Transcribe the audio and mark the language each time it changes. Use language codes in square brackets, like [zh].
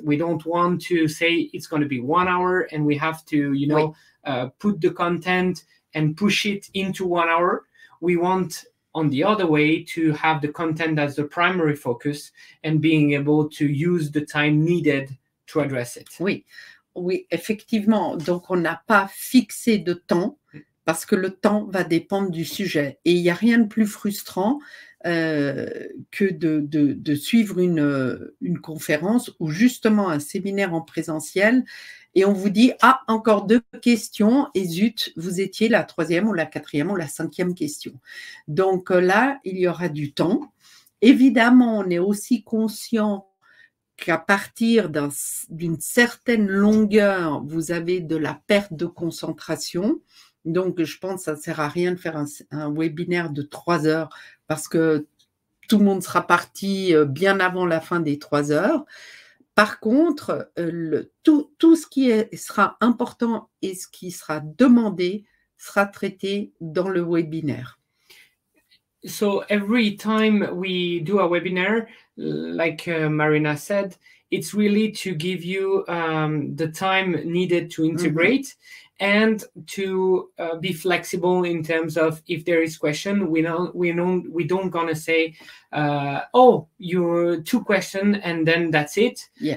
[en] We don't want to say it's going to be 1 hour and we have to, you know, put the content and push it into 1 hour. We want on the other way to have the content as the primary focus and being able to use the time needed to address it. [fr] Oui, effectivement. Donc, on n'a pas fixé de temps parce que le temps va dépendre du sujet. Et il n'y a rien de plus frustrant que de suivre une conférence ou justement un séminaire en présentiel et on vous dit, ah, encore deux questions et zut, vous étiez la troisième ou la quatrième ou la cinquième question. Donc là, il y aura du temps. Évidemment, on est aussi conscient qu'à partir d'une certaine longueur, vous avez de la perte de concentration. Donc, je pense que ça ne sert à rien de faire un webinaire de 3 heures parce que tout le monde sera parti bien avant la fin des 3 heures. Par contre, tout ce qui sera important et ce qui sera demandé sera traité dans le webinaire. [en] So every time we do a webinar, like Marina said, it's really to give you the time needed to integrate and to be flexible in terms of if there is question, we don't gonna say, oh, you're two question and then that's it.